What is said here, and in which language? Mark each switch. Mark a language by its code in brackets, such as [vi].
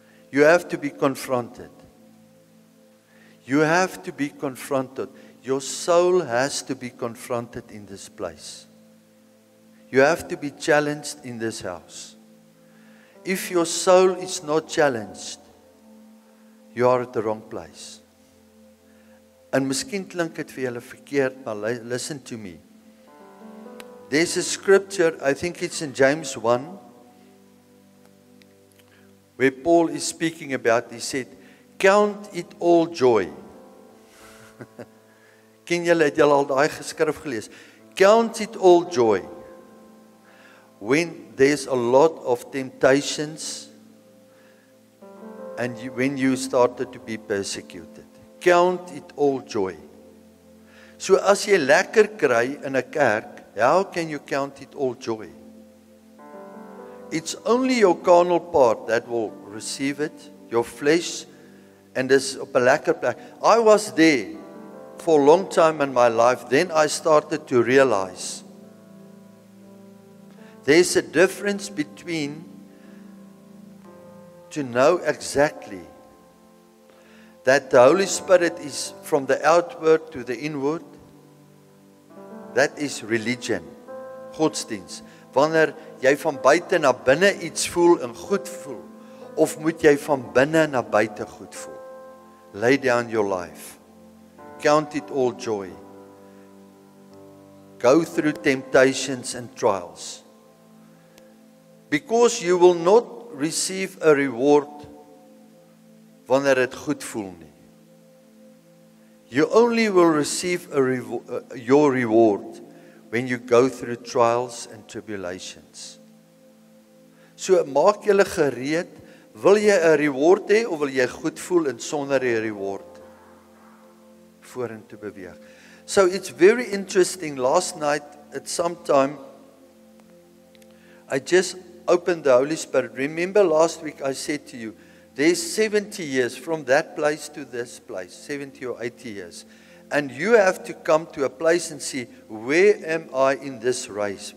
[en] You have to be confronted. You have to be confronted. Your soul has to be confronted in this place. You have to be challenged in this house. If your soul is not challenged, you are at the wrong place. [af] En miskien klink het vir julle verkeerd, maar [en] listen to me. There's a scripture, I think it's in James 1, where Paul is speaking about, he said, count it all joy. [af] Ken julle, het julle al die geskrif gelees? [en] Count it all joy. When there's a lot of temptations, and you, when you started to be persecuted. Count it all joy. So [af] as jy lekker kry in 'n kerk, [en] how can you count it all joy? It's only your carnal part that will receive it, your flesh, and this [af] op 'n lekker plek. [en] I was there for a long time in my life, then I started to realize there's a difference between to know exactly that the Holy Spirit is from the outward to the inward. That is religion, godsdienst. [af] Wanneer jy van buite na binne iets voel en goed voel, of moet jy van binne na buite goed voel? [en] Lay down your life. Count it all joy. Go through temptations and trials. Because you will not receive a reward [af] wanneer het goed voel nie. [en] You only will receive your reward when you go through trials and tribulations. [af] So maak julle gereed, wil jy 'n reward hê of wil jy goed voel en sonder 'n reward vorentoe beweeg. [en] So it's very interesting, last night at some time I just opened the Holy Spirit. Remember last week I said to you, there's 70 years from that place to this place, 70 or 80 years. And you have to come to a place and see, where am I in this race?